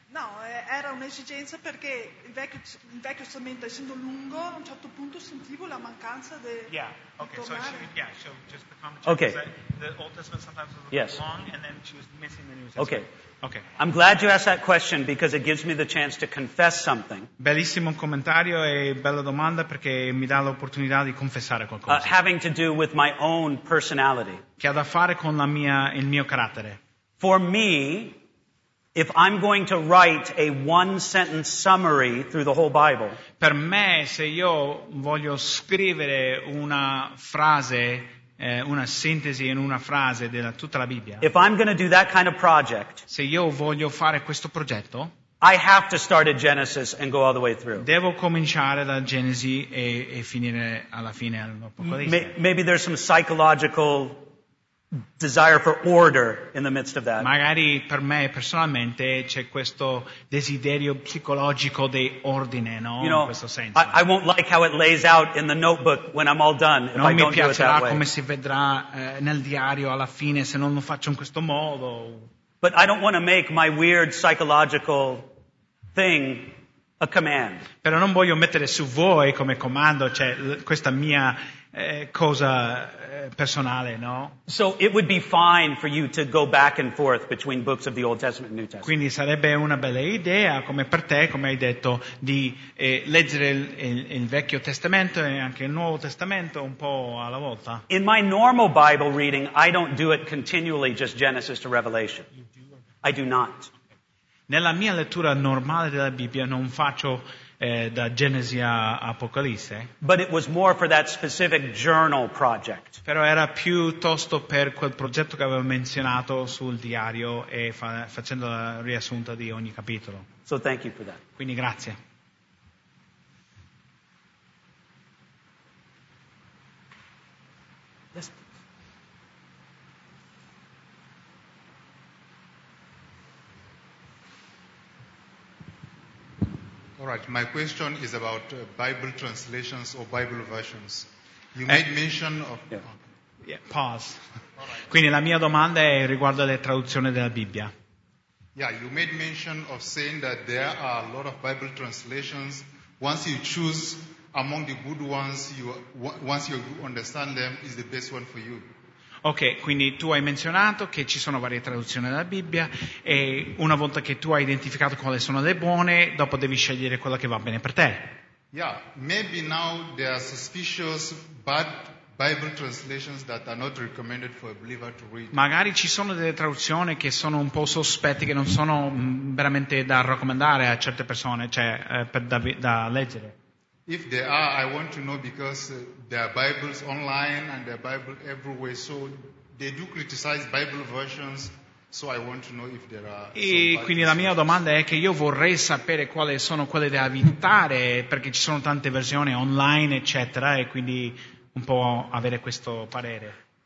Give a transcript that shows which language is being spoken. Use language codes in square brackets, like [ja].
[it] No, era un'esigenza perché il vecchio testamento, essendo lungo, a un certo punto sentivo la mancanza di tornare. [en] The Old Testament sometimes was long, and then she was missing the New Testament. Okay. I'm glad you asked that question because it gives me the chance to confess something. [it] Bellissimo commentario e bella domanda perché mi dà l'opportunità di confessare qualcosa. [en] Having to do with my own personality. [it] Che ha da fare con il mio carattere. [en] For me, if I'm going to write a one-sentence summary through the whole Bible. [it] Per me, se io voglio scrivere una frase, una sintesi in una frase della tutta la Bibbia. [en] If I'm going to do that kind of project, [it] se io voglio fare questo progetto, [en] I have to start at Genesis and go all the way through. [it] Devo cominciare da Genesi e finire alla fine all'Apocalisse. [en] Maybe there's some psychological desire for order in the midst of that. [it] Magari per me personalmente c'è questo desiderio psicologico di ordine, no? [en] You know, [it] in questo senso. [en] I won't like how it lays out in the notebook when I'm all done. [it] Non [en] if [it] mi [en] I don't [it] piacerà [en] do it that [it] come [en] way. [it] Si vedrà nel diario alla fine se non lo faccio in questo modo. [en] But I don't want to make my weird psychological thing a command. [it] Però non voglio mettere su voi come comando, cioè questa mia cosa personale, no? [en] So it would be fine for you to go back and forth between books of the Old Testament and New Testament. [it] Quindi sarebbe una bella idea, come per te, come hai detto, di leggere il Vecchio Testamento e anche il Nuovo Testamento un po' alla volta. [en] In my normal Bible reading, I don't do it continually just Genesis to Revelation. I do not. [it] Nella mia lettura normale della Bibbia non faccio da Genesi a Apocalisse. [en] But it was more for that specific journal project. [it] Però era piuttosto per quel progetto che avevo menzionato sul diario e facendo la riassunta di ogni capitolo. [en] So thank you for that. [it] Quindi grazie. [en] Yes. All right, my question is about Bible translations or Bible versions. You made mention of... Pause. [it] Quindi la mia domanda è riguardo alle traduzioni della Bibbia. [en] Yeah, you made mention of saying that there are a lot of Bible translations. Once you choose among the good ones, once you understand them, is the best one for you. [it] Ok, quindi tu hai menzionato che ci sono varie traduzioni della Bibbia e una volta che tu hai identificato quali sono le buone, dopo devi scegliere quella che va bene per te. [en] Yeah, maybe now there are suspicious bad Bible translations that are not recommended for a believer to read. [it] Magari ci sono delle traduzioni che sono un po' sospette, che non sono veramente da raccomandare a certe persone, cioè da leggere. [en] If there are, I want to know because there are Bibles online and there are Bibles everywhere, so they do criticize Bible versions, so I want to know if there are. [it] E quindi la mia domanda è che io vorrei sapere quali sono quelle da evitare, perché ci sono tante versioni online, eccetera, e quindi un po' avere questo parere.